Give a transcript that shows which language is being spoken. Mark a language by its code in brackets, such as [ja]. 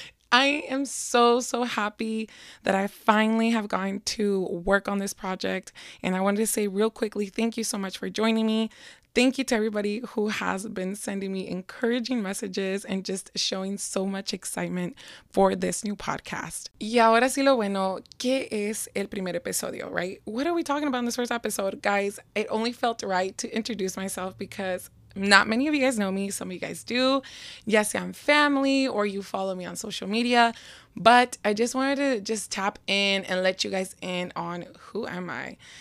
[en] I am so, so happy that I finally have gotten to work on this project. And I wanted to say real quickly, thank you so much for joining me. Thank you to everybody who has been sending me encouraging messages and just showing so much excitement for this new podcast. [es] Y ahora sí lo bueno, ¿qué es el primer episodio, right? [en] What are we talking about in this first episode? Guys, it only felt right to introduce myself because not many of you guys know me. Some of you guys do. Yes, I'm family or you follow me on social media. But I just wanted to just tap in and let you guys in on who am I.